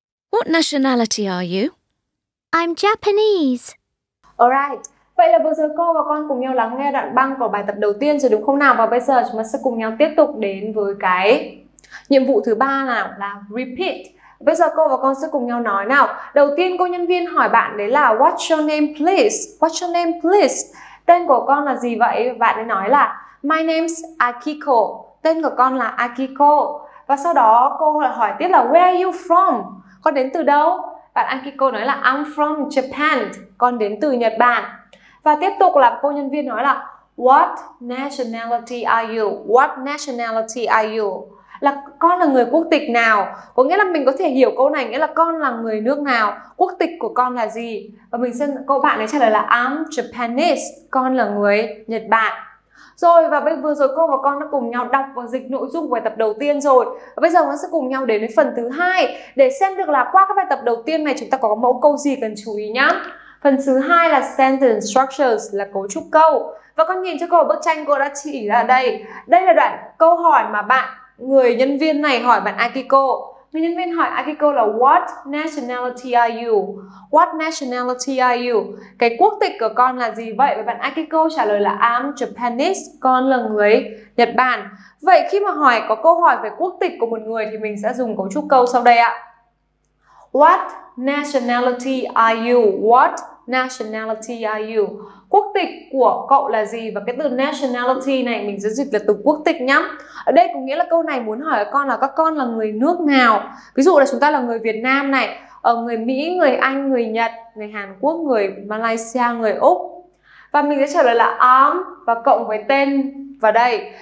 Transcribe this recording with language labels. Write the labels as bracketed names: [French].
[English] What nationality are you? I'm Japanese. Alright, [Vietnamese] vậy là vừa rồi cô và con cùng nhau lắng nghe đoạn băng của bài tập đầu tiên rồi đúng không nào? Và bây giờ chúng ta sẽ cùng nhau tiếp tục đến với cái nhiệm vụ thứ ba là repeat. Bây giờ cô và con sẽ cùng nhau nói nào. Đầu tiên cô nhân viên hỏi bạn đấy là [English] What's your name please? What's your name please? [Vietnamese] Tên của con là gì vậy? Bạn ấy nói là [English] My name's [Vietnamese] Akiko. Tên của con là Akiko. Và sau đó cô lại hỏi tiếp là [English] Where are you from? [Vietnamese] Con đến từ đâu? Bạn Akiko nói là [English] I'm from Japan. [Vietnamese] Con đến từ Nhật Bản. Và tiếp tục là cô nhân viên nói là [English] What nationality are you? What nationality are you? [Vietnamese] Là con là người quốc tịch nào? Có nghĩa là mình có thể hiểu câu này nghĩa là con là người nước nào? Quốc tịch của con là gì? Và mình xin cô bạn ấy trả lời là [English] I'm Japanese. [Vietnamese] Con là người Nhật Bản. Rồi, và bây vừa rồi cô và con đã cùng nhau đọc và dịch nội dung của bài tập đầu tiên rồi. Và bây giờ chúng ta sẽ cùng nhau đến với phần thứ hai để xem được là qua các bài tập đầu tiên này chúng ta có mẫu câu gì cần chú ý nhá. Phần thứ hai là [English] sentence structures, [Vietnamese] là cấu trúc câu. Và con nhìn cho cô bức tranh cô đã chỉ ra đây. Đây là đoạn câu hỏi mà bạn, người nhân viên này hỏi bạn Akiko. Người nhân viên hỏi Akiko là [English] What nationality are you? What nationality are you? [Vietnamese] Cái quốc tịch của con là gì vậy? Và bạn Akiko trả lời là [English] I'm Japanese. [Vietnamese] Con là người Nhật Bản. Vậy khi mà hỏi có câu hỏi về quốc tịch của một người thì mình sẽ dùng cấu trúc câu sau đây ạ. [English] What nationality are you? What nationality are you? [Vietnamese] Quốc tịch của cậu là gì? Và cái từ nationality này mình sẽ dịch là từ quốc tịch nhá. Ở đây có nghĩa là câu này muốn hỏi con là các con là người nước nào? Ví dụ là chúng ta là người Việt Nam này, ở người Mỹ, người Anh, người Nhật, người Hàn Quốc, người Malaysia, người Úc. Và mình sẽ trả lời là I'm và cộng với tên vào đây.